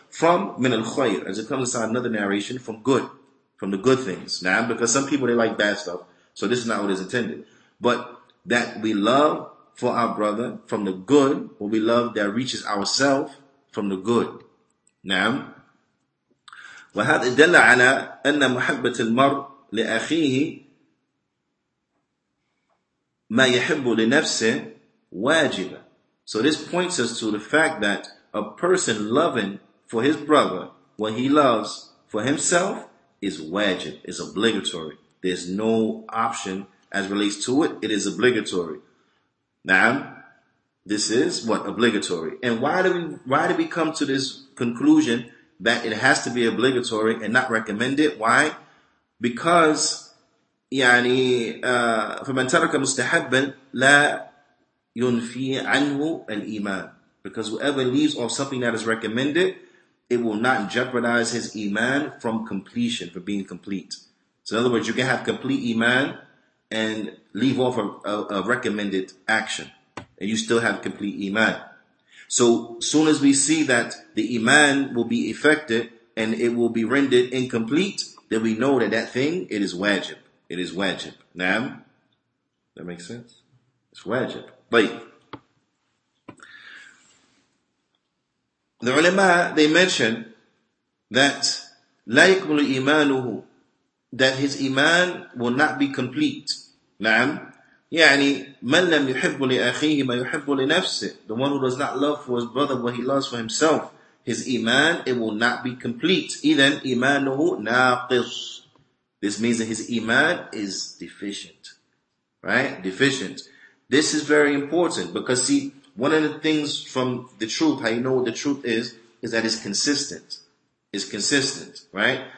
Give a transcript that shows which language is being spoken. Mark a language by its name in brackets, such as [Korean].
[English] From [Arabic] min al khayr. [English] As it comes inside another narration, from good. From the good things. Naam. Because some people, they like bad stuff. So this is not what is intended. But that we love for our brother from the good, what we love that reaches ourself from the good. Naam. [Arabic] وهذا دل على أن محبة المرء لأخيه ما يحب لنفسه واجبة. [English] So this points us to the fact that a person loving for his brother what he loves for himself is wajib, is obligatory. There's no option as relates to it. It is obligatory. Now, this is what? Obligatory. And why do we come to this conclusion that it has to be obligatory and not recommended? Why? Because [Arabic] يعني فمن ترك مستحبا لا ينفي عنه الإيمان. [English] Because whoever leaves off something that is recommended, it will not jeopardize his Iman from completion, for being complete. So in other words, you can have complete Iman and leave off a recommended action, and you still have complete Iman. So soon as we see that the Iman will be effective and it will be rendered incomplete, then we know that that thing, it is wajib. It is wajib. Naam? That makes sense? It's wajib. But the ulama, they mention that [Arabic] la yakmulu imanuhu, [English] that his Iman will not be complete. Naam? [Arabic] يعني من لم يحب لأخيه ما يحب لنفسه. [English] The one who does not love for his brother what he loves for himself, his Iman, it will not be complete. [Arabic] إذن إيمانه ناقص. [English] This means that his Iman is deficient. Right? Deficient. This is very important because see, one of the things from the truth, how you know what the truth is that it's consistent. It's consistent. Right?